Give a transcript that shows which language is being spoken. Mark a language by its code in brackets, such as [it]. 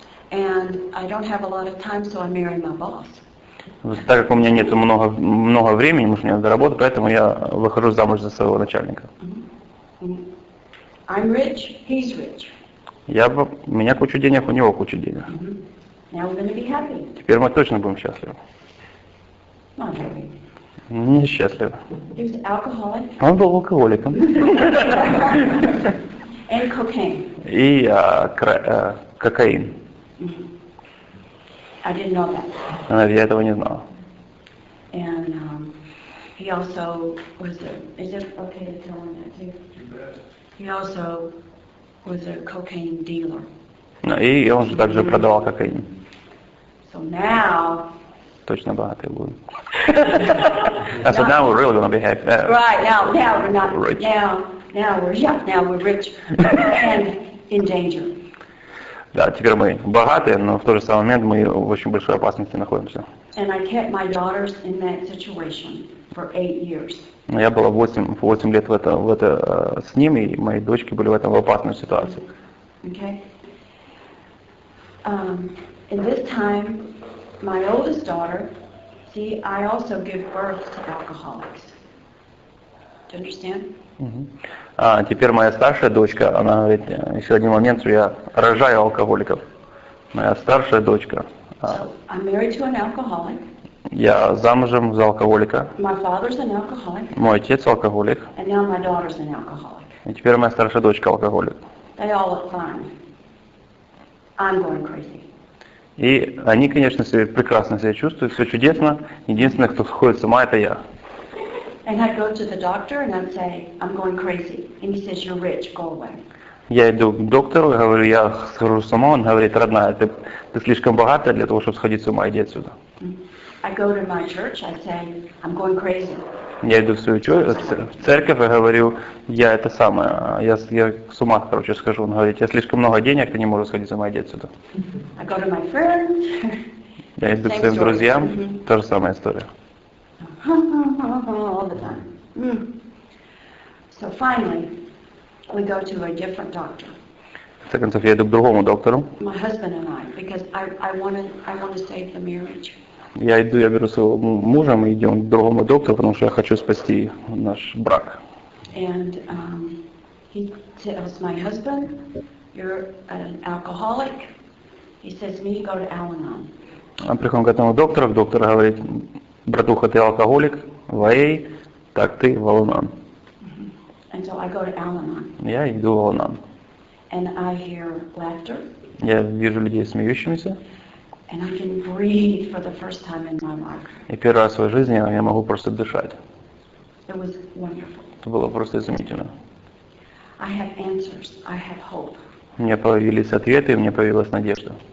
[en] And I don't have a lot of time, so I marry my boss. [ru] Так как у меня нет много времени, потому что мне надо работать, поэтому я выхожу замуж за своего начальника. [en] I'm rich, he's rich. [ru] У меня куча денег, у него куча денег. [en] Now we're going to be happy. [ru] Теперь мы точно будем счастливы. [en] Not happy. [ru] Не счастливы. [en] He was alcoholic. [ru] Он был алкоголиком. [en] And cocaine. [ru] И кокаин. [en] I didn't know that. [ru] Я этого не знала. [en] And he also was a. Is it okay to tell him that too? He also was a cocaine dealer. [ru] И он же также продавал кокаин. [en] So now. [ru] Точно богатый будет. [en] I said now we're really gonna be happy. Right now we're not rich. Now we're rich and in danger. [ru] Да, теперь мы богатые, но в тот же самый момент мы в очень большой опасности находимся. [en] And I kept my daughters in that situation. for 8 years. [ru] Я была 8 лет в это с ним, и мои дочки были в этом в опасной ситуации. [en] Okay. In this time, my oldest daughter, see, I also give birth to alcoholics. Do you understand? [ru] А теперь моя старшая дочка, она говорит, еще один момент, что я рожаю алкоголиков. Моя старшая дочка. [en] So, I'm married to an alcoholic. [ru] Я замужем за алкоголика. [en] My father's an alcoholic. [ru] Мой отец алкоголик. [en] And now my daughter's an alcoholic. [ru] И теперь моя старшая дочка алкоголик. [en] They all look fine. I'm going crazy. [ru] И они, конечно, себя прекрасно себя чувствуют, все чудесно. Единственное, кто сходит с ума, это я. [en] And I go to the doctor and I'd say, I'm going crazy. And he says, you're rich, go away. [ru] Я иду к доктору, говорю, я схожу с ума, он говорит, родная, ты слишком богата для того, чтобы сходить с ума, иди отсюда. [en] I go to my church, I say, I'm going crazy. [ru] Я иду в свою церковь и говорю, я это самое, я с ума, короче, схожу. Он говорит, я слишком много денег, ты не можешь сходить с ума, иди отсюда. [en] I go to my friends. [ru] Я иду к своим друзьям, mm-hmm. Та же самая история. [en] All the time. Mm. So finally, we go to a different doctor. [ru] В конце концов, я иду к другому доктору. [en] My husband and I, because I want to save the marriage. [ru] Я иду, я беру своего мужа, мы идем к другому доктору, потому что я хочу спасти наш брак. [en] And he tells my husband, you're an alcoholic. He says, me, go to Al-Anon. [ru] Он приходит к этому доктору, доктор говорит, братуха, ты алкоголик, в АА, так ты в Al-Anon. [en] And so I go to Al-Anon. [ru] Я иду в Al-Anon. [en] And I hear laughter. [ru] Я вижу людей смеющимися. [en] And I can breathe for the first time in my life. [ru] И первый раз в своей жизни я могу просто дышать. [en] It was wonderful. [ru] Это было просто изумительно. [en] I have answers. I have hope. [ru] У меня появились ответы, и у меня появилась надежда.